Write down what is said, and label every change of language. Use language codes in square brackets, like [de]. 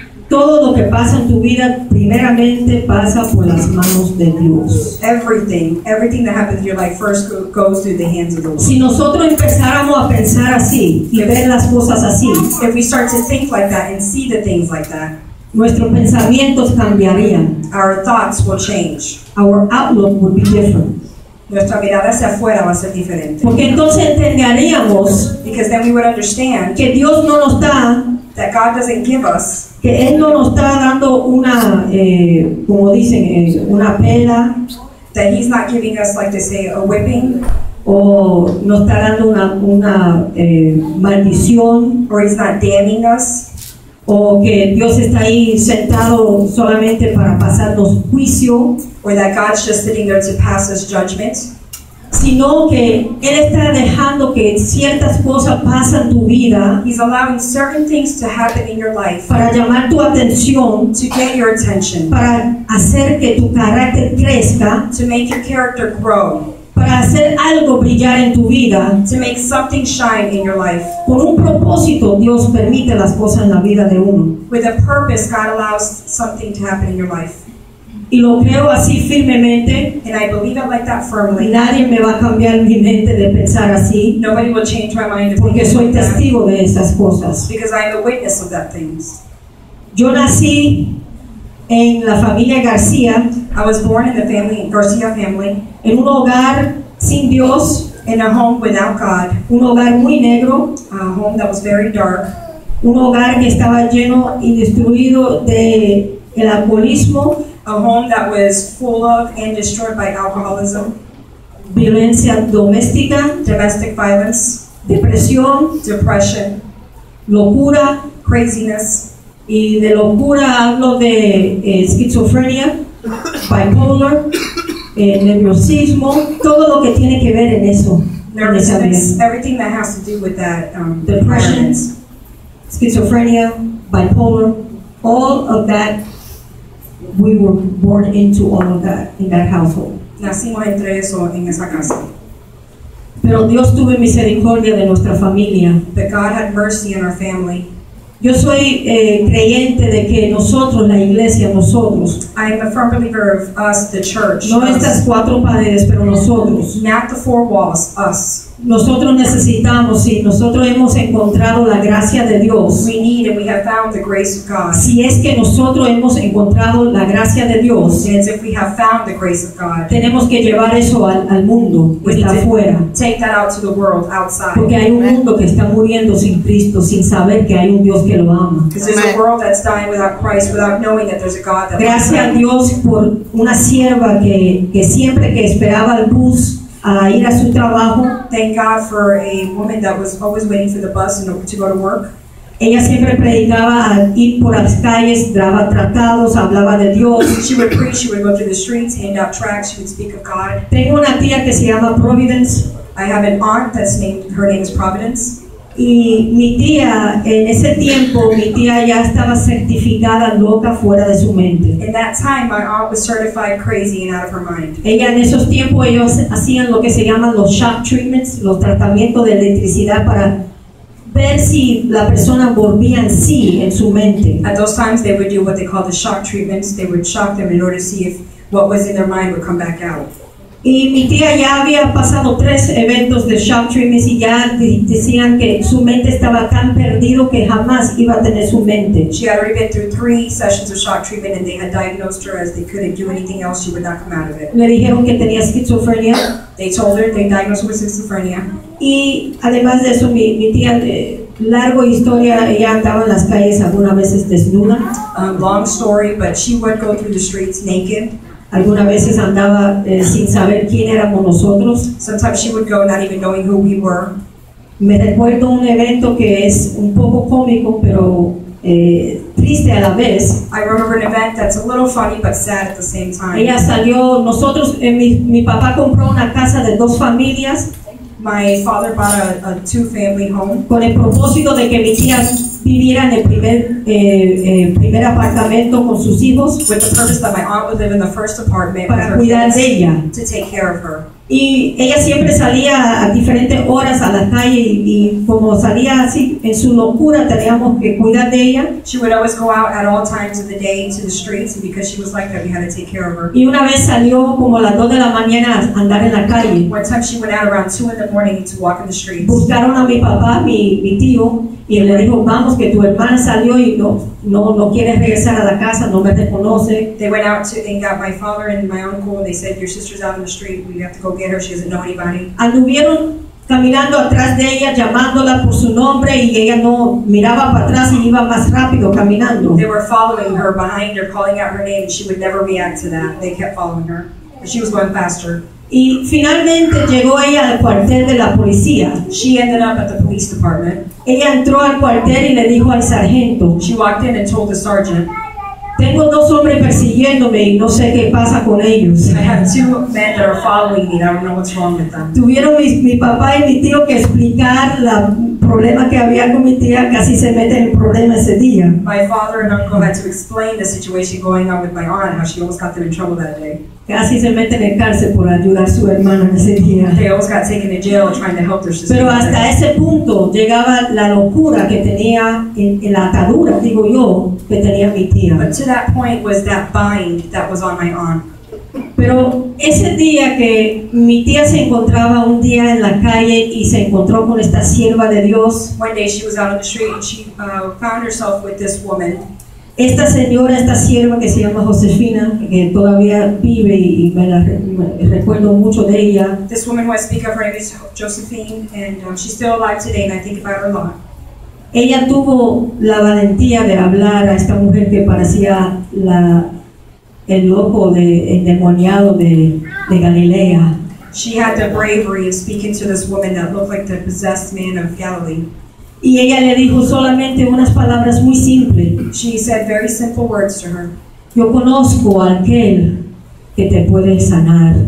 [es] Todo lo que pasa en tu vida primeramente pasa por las manos de Dios. [en] Everything that happens in your life first goes through the hands of the Lord. [es] Si nosotros empezáramos a pensar así y ver las cosas así, [en] if we start to think like that and see the things like that, [es] nuestros pensamientos cambiarían. [en] Our thoughts will change. Our outlook would be different. [es] Nuestra mirada hacia afuera va a ser diferente. Porque entonces entenderíamos, [en] because then we would understand, [es] que Dios no nos da, [en] that God doesn't give us, [es] que Él no nos está dando una, como dicen, una pela, [en] that He's not giving us, like they say, a whipping, [es] o nos está dando una maldición, [en] or He's not damning us, [es] o que Dios está ahí sentado solamente para pasarnos juicio, [en] or that God's just sitting there to pass us judgment, [es] sino que Él está dejando que ciertas cosas pasen en tu vida, [en] He's allowing certain things to happen in your life, [es] para llamar tu atención, [en] to get your attention, [es] para hacer que tu carácter crezca, [en] to make your character grow, [es] para hacer algo brillar en tu vida, [en] to make something shine in your life. [es] Con un propósito Dios permite las cosas en la vida de uno. [en] With a purpose God allows something to happen in your life. [es] Y lo creo así firmemente, [en] and I believe it like that firmly. [es] Nadie me va a cambiar mi mente de pensar así. [en] Nobody will change my mind. [es] Porque soy testigo de esas cosas. [en] Because I am a witness of that things. [es] Yo nací en la familia García. [en] I was born in the family, García family. [es] En un hogar sin Dios. [en] In a home without God. [es] Un hogar muy negro. [en] A home that was very dark. [es] Un hogar que estaba lleno y destruido del alcoholismo. [en] A home that was full of and destroyed by alcoholism. [es] Violencia doméstica. [en] Domestic violence. [es] Depresión. [en] Depression. [es] Locura. [en] Craziness. [es] Y de locura hablo de esquizofrenia, bipolar, nerviosismo, todo lo que tiene que ver en eso. [en] Nervousness, everything that has to do with that. Depression, schizophrenia, bipolar, all of that, we were born into all of that, in that household. [es] Nacimos entre eso en esa casa. Pero Dios tuvo misericordia de nuestra familia. [en] But God had mercy on our family. [es] Yo soy creyente de que nosotros, la iglesia, nosotros. [en] I am a firm believer of us, the church. [es] No estas cuatro paredes, pero nosotros. [en] Not the four walls, us. [es] Nosotros necesitamos, si nosotros hemos encontrado la gracia de Dios. [en] We need and we have found the grace of God. [es] Si es que nosotros hemos encontrado la gracia de Dios. [en] And if we have found the grace of God. [es] Tenemos que llevar eso al mundo, [en] we [es] está afuera. [en] Take that out to the world, outside. [es] Porque hay un mundo que está muriendo sin Cristo, sin saber que hay un Dios que lo ama. [en] Because there's a world that's dying without Christ, without knowing that there's a God that loves. [es] Gracias a Dios por una sierva que siempre que esperaba el bus a ir a su trabajo. [en] Thank God for a woman that was always waiting for the bus in order to go to work. [es] Ella siempre predicaba al ir por las calles, daba tratados, hablaba de Dios. [en] She would preach, she would go through the streets, hand out tracts, she would speak of God. [es] Tengo una tía que se llama Providence. [en] I have an aunt that's named, her name is Providence. [es] Y mi tía, en ese tiempo, mi tía ya estaba certificada loca fuera de su mente. [en] In that time, my aunt was certified crazy and out of her mind. [es] Ella, en esos tiempos, ellos hacían lo que se llaman los shock treatments, los tratamientos de electricidad para ver si la persona volvía en sí, en su mente. [en] At those times, they would do what they call the shock treatments. They would shock them in order to see if what was in their mind would come back out. [es] Y mi tía ya había pasado tres eventos de shock treatments y ya decían que su mente estaba tan perdido que jamás iba a tener su mente. [en] She had already been through three sessions of shock treatment and they had diagnosed her as they couldn't do anything else, she would not come out of it. [es] Le dijeron que tenía esquizofrenia. [en] They told her, they diagnosed her with schizophrenia. [es] Y además de eso, mi tía, largo historia, ella andaba en las calles algunas veces desnuda. [en] Long story, but she would go through the streets naked. [es] Algunas veces andaba sin saber quién éramos nosotros. [en] Sometimes she would go not even knowing who we were. [es] Me recuerdo un evento que es un poco cómico, pero triste a la vez. [en] I remember an event that's a little funny but sad at the same time. [es] Ella salió, nosotros, mi papá compró una casa de dos familias. [en] My father bought a two-family home. [es] Con el propósito de que mi tía viviera en el primer apartamento con sus hijos. [en] With the purpose that my aunt would live in the first apartment. [es] Para cuidar de ella. [en] To take care of her. [es] Y ella siempre salía a diferentes horas a la calle y como salía así en su locura teníamos que cuidar de ella. [en] She would always go out at all times of the day into the streets and because she was like that we had to take care of her. [es] Y una vez salió como a las 2 de la mañana a andar en la calle. [en] One time she went out around 2 in the morning to walk in the streets. [es] Buscaron a mi papá, mi tío, y él le dijo, vamos que tu hermana salió y no quiere regresar a la casa, no me reconoce. [en] They went out to and got my father and my uncle and they said, your sister's out in the street, we have to go get her, she doesn't know anybody. [es] Anduvieron caminando atrás de ella, llamándola por su nombre y ella no miraba para atrás y iba más rápido caminando. [en] They were following her behind her, calling out her name and she would never react to that. They kept following her. She was going faster. [es] Y finalmente llegó ella al cuartel de la policía. [en] She ended up at the police department. [es] Ella entró al cuartel y le dijo al sargento. [en] She walked in and told the sergeant. [es] Tengo dos hombres persiguiéndome y no sé qué pasa con ellos. [en] I have two men that are following me. I don't know what's wrong with them. [es] Tuvieron mi papá y mi tío que explicar el problema que había con mi tía. Casi se mete en el problema ese día. [en] My father and uncle had to explain the situation going on with my aunt, how she almost got them in trouble that day. [es] Casi se mete en el cárcel por ayudar a su hermana ese día. [en] They almost got taken to jail trying to help their sister. [es] Pero hasta ese punto llegaba la locura que tenía en la atadura, digo yo, que tenía mi tía. [en] But to that point was that bind that was on my arm. [es] Pero ese día que mi tía se encontraba un día en la calle y se encontró con esta sierva de Dios. [en] One day she was out on the street and she found herself with this woman. [es] Esta señora, esta sierva que se llama Josefina, que todavía vive y me recuerdo mucho de ella. [en] This woman who I speak of, her name is Josephine, and she's still alive today, and I think about her a lot. [es] Ella tuvo la valentía de hablar a esta mujer que parecía el loco endemoniado de Galilea. [en] She had the bravery of speaking to this woman that looked like the possessed man of Galilee. [es] Y ella le dijo solamente unas palabras muy simples. [en] She said very simple words to her. [es] Yo conozco a aquel que te puede sanar.